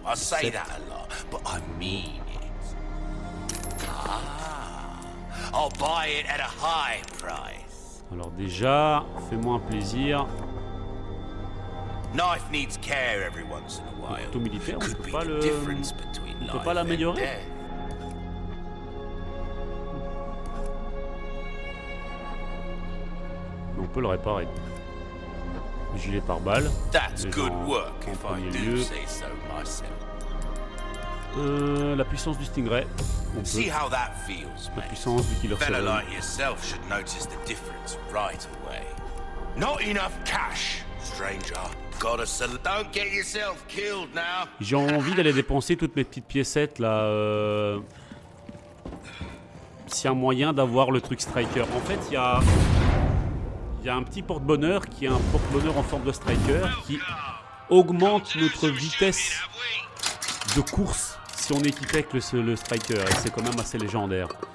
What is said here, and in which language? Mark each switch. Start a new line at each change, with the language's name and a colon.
English: I say that a lot, but I mean it. Ah, I'll buy it at a high price.
French: Alors déjà, fais-moi un plaisir.
English: Knife needs care every once in a while.
French: Couteau militaire, on peut pas le. On peut pas l'améliorer. On peut le réparer. Gilet pare-balles.
English: That's good work if I do say so myself.
French: La puissance du stingray. On peut.
English: See how that feels,
French: mate. La puissance du killer
English: seven. Fellow like yourself should notice the difference right away. Not enough cash, stranger. Got a sal- Don't get yourself killed now.
French: J'ai envie d'aller dépenser toutes mes petites piécettes là. S'il y a moyen d'avoir le truc striker. En fait, il y a un petit porte-bonheur qui est un porte-bonheur en forme de striker qui augmente notre vitesse de course si on est équipé avec le striker, et c'est quand même assez légendaire.